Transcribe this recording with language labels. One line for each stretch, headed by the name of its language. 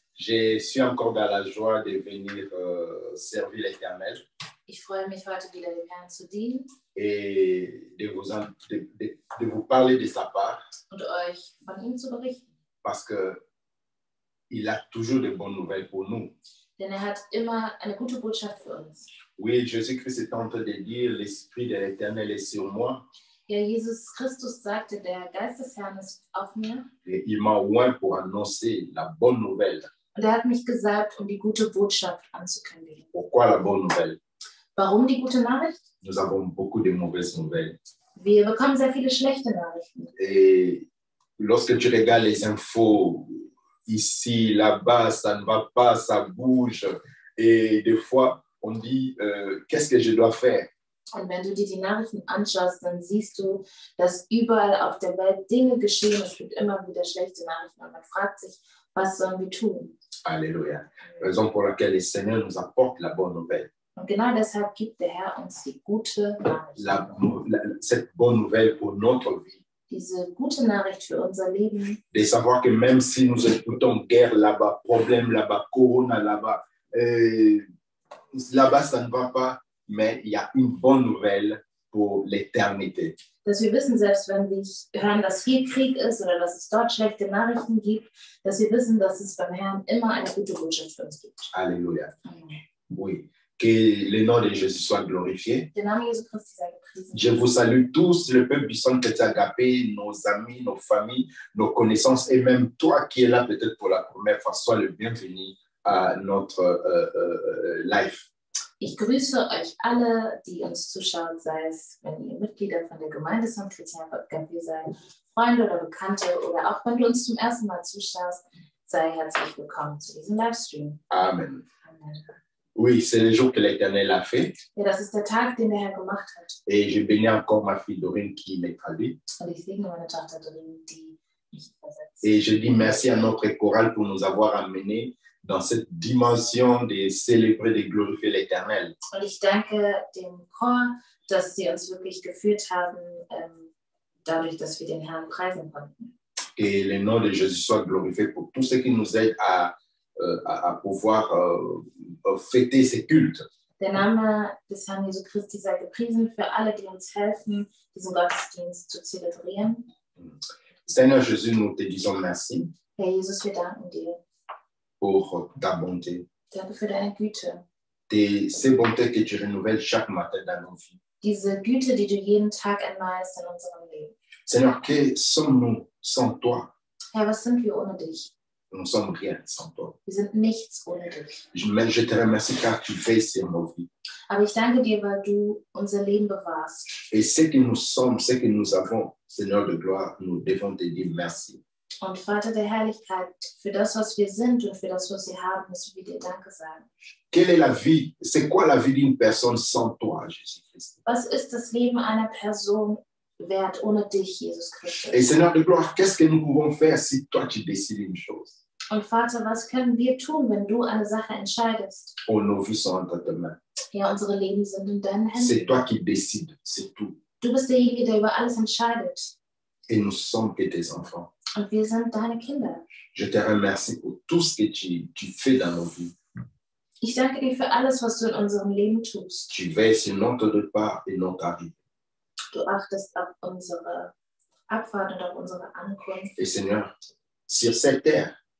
French: Je suis encore dans la joie de venir servir l'Éternel.
German: Ich freue mich heute wieder dem Herrn zu dienen.
French: Et de vous parler de sa part.
German: Und euch von ihm zu berichten.
French: Parce que il a toujours de bonnes nouvelles pour nous.
German: Denn er hat immer eine gute Botschaft für uns.
French: Oui, Jésus-Christ est en train de dire, l'Esprit de l'Éternel est sur moi.
German: Ja, Jesus Christus sagte, der Geist des Herrn ist auf mir.
French: Et il m'a oint pour annoncer la bonne nouvelle.
German: Und er hat mich gesalbt, um die gute Botschaft anzukündigen.
French: Pourquoi la bonne nouvelle?
German: Warum die gute Nachricht?
French: Nous avons beaucoup de mauvaises nouvelles.
German: Wir bekommen sehr viele schlechte Nachrichten.
French: Et lorsque tu regardes les infos, ici, là-bas, ça ne va pas, ça bouge. Et des fois, on dit, qu'est-ce que je dois faire?
German: Und wenn du dir die Nachrichten anschaust, dann siehst du, dass überall auf der Welt Dinge geschehen. Es gibt immer wieder schlechte Nachrichten. Und man fragt sich, was sollen wir tun? Alléluia.
French: Raison pour laquelle le Seigneur nous apporte la bonne nouvelle.
German: Und genau deshalb gibt der Herr uns die gute Nachricht.
French: Cette bonne nouvelle pour notre vie.
German: Diese gute Nachricht für unser Leben.
French: De savoir que même si nous écoutons guerre là-bas, problème là-bas, Corona là-bas, là-bas ça ne va pas. Mais il y a une bonne nouvelle pour l'éternité.
German: Dass wir wissen, selbst wenn wir hören, dass hier Krieg ist oder dass es dort schlechte Nachrichten gibt, dass wir wissen, dass es beim Herrn immer eine gute Botschaft für uns gibt.
French: Alléluia. Oui. Que le nom de Jésus soit glorifié.
German: Der Name Jésus Christus sei gepriesen.
French: Je vous salue tous, le peuple du Centre Chrétien Agape, nos amis, nos familles, nos connaissances et même toi qui es là peut-être pour la première fois, sois le bienvenu à notre live.
German: Ich grüße euch alle, die uns zuschauen, sei es, wenn ihr Mitglieder von der Gemeinde Centre Chrétien Agape seid, Freunde oder Bekannte, oder auch wenn du uns zum ersten Mal zuschaust, sei herzlich willkommen zu diesem Livestream. Amen.
French: Oui, c'est le jour que l'Éternel a fait.
German: Ja, das ist der Tag, den der Herr gemacht hat.
French: Et je bénis encore ma fille Dorine qui m'a traduit.
German: Und ich segne meine Tochter Dorine, die mich übersetzt.
French: Et je dis merci à notre chorale pour nous avoir amené dans cette dimension de célébrer, de glorifier l'Éternel.
German: Und ich danke dem Chor, dass sie uns wirklich geführt haben, dadurch, dass wir den Herrn preisen konnten.
French: Que le nom de Jésus soit glorifié pour tous ceux qui nous aident à pouvoir fêter ces cultes.
German: Der Name des Herrn Jesu Christi sei gepriesen für alle, die uns helfen, diesen Gottesdienst zu zelebrieren.
French: Seigneur Jésus, nous te disons merci.
German: Herr Jesus, wir danken dir.
French: Pour ta bonté.
German: Danke für deine Güte.
French: Ces bontés que tu renouvelles chaque matin dans nos vies.
German: Diese Güte, die du jeden Tag erneuerst in unserem Leben.
French: Seigneur, que sommes-nous sans toi?
German: Herr, was sind wir ohne dich?
French: Nous sommes rien sans toi.
German: Wir sind nichts ohne dich.
French: Je te remercie car tu veilles sur nos vies.
German: Aber ich danke dir, weil du unser Leben bewahrst.
French: Et ce que nous sommes, ce que nous avons, Seigneur de gloire, nous devons te dire merci.
German: Und Vater der Herrlichkeit, für das, was wir sind und für das, was wir haben, müssen wir dir Danke sagen.
French: Quelle est la vie? C'est quoi la vie d'une personne sans toi, Jésus Christ?
German: Was ist das Leben einer Person wert ohne dich, Jesus Christus?
French: Et Seigneur de gloire, qu'est-ce que nous pouvons faire si toi tu décides une chose?
German: Und Vater, was können wir tun, wenn du eine Sache entscheidest?
French: Oh, nos vies sont entre tes mains.
German: Ja, unsere Leben sind in deinen Händen.
French: C'est toi qui décide, c'est tout.
German: Du bist derjenige, der über alles entscheidet.
French: Et nous sommes que tes enfants.
German: Und wir sind deine Kinder.
French: Je te remercie pour tout ce que tu fais dans nos vies.
German: Ich danke dir für alles, was du in unserem Leben tust.
French: Tu veilles sur notre départ et notre arrivée.
German: Du achtest auf unsere Abfahrt und auf unsere Ankunft.
French: Et Seigneur, sur cette terre.